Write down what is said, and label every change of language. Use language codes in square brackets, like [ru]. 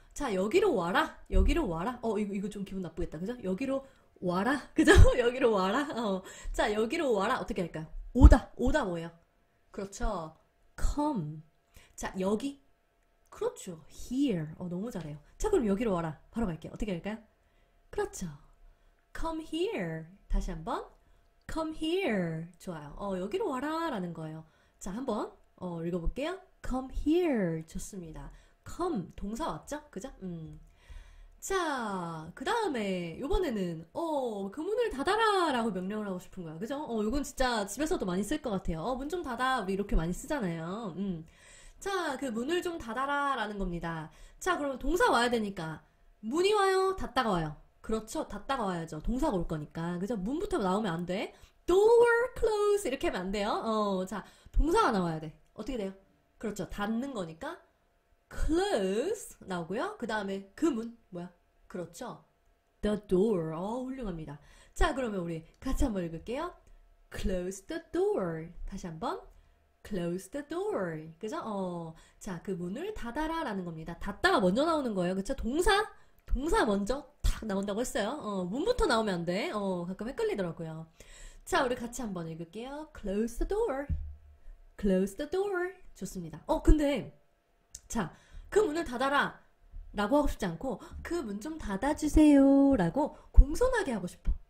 [ko] 자, 여기로 와라, 여기로 와라. 이거 좀 기분 나쁘겠다, 그죠? 여기로 와라, 그죠? 여기로 와라. 자, 여기로 와라 어떻게 할까요? 오다, 오다 뭐예요? 그렇죠, come. 자, 여기, 그렇죠, here. 너무 잘해요. 자, 그럼 여기로 와라 바로 갈게요. 어떻게 할까요? 그렇죠, [en] come here. [ko] 다시 한번, [en] come here. [ko] 좋아요. 여기로 와라 라는 거예요. 자, 한번 읽어볼게요. [en] come here. [ko] 좋습니다. come 동사 왔죠? 그죠? 자, 그 다음에 이번에는 그 문을 닫아라 라고 명령을 하고 싶은 거야, 그죠? 이건 진짜 집에서도 많이 쓸 것 같아요. 문 좀 닫아, 우리 이렇게 많이 쓰잖아요. 자, 그 문을 좀 닫아라 라는 겁니다. 자, 그럼 동사 와야 되니까 문이 와요, 닫다가 와요? 그렇죠, 닫다가 와야죠. 동사가 올 거니까, 그죠? 문부터 나오면 안 돼. [en] door close [ko] 이렇게 하면 안 돼요. 자, 동사가 나와야 돼. 어떻게 돼요? 그렇죠, 닫는 거니까 close 나오고요. 그 다음에 그 문 뭐야? 그렇죠, the door. 훌륭합니다. 자, 그러면 우리 같이 한번 읽을게요. [en] close the door. [ko] 다시 한번, [en] close the door. [ko] 그죠? 자, 그 문을 닫아라 라는 겁니다. 닫다가 먼저 나오는 거예요, 그쵸? 동사 먼저 다 착 나온다고 했어요. 문부터 나오면 안 돼. 가끔 헷갈리더라고요. 자, 우리 같이 한번 읽을게요. [en] Close the door. Close the door. [ko] 좋습니다. 근데 자, 그 문을 닫아라 라고 하고 싶지 않고 그문좀 닫아주세요 라고 공손하게 하고 싶어.